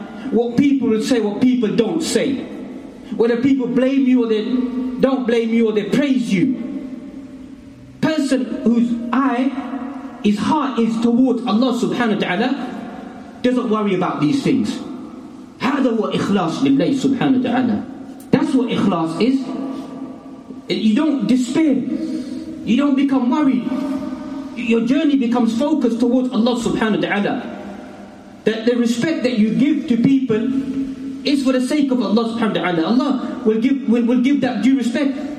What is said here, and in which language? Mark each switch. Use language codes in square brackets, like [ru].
[en] what people would say, what people don't say. Whether people blame you or they don't blame you or they praise you. Person whose eye, his heart is towards Allah subhanahu wa ta'ala, doesn't worry about these things. [ar] هذا هو إخلاص لله سبحانه وتعالى. [en] That's what إخلاص is. You don't despair. You don't become worried. Your journey becomes focused towards Allah subhanahu wa ta'ala. That the respect that you give to people is for the sake of Allah subhanahu wa ta'ala. Allah will give that due respect.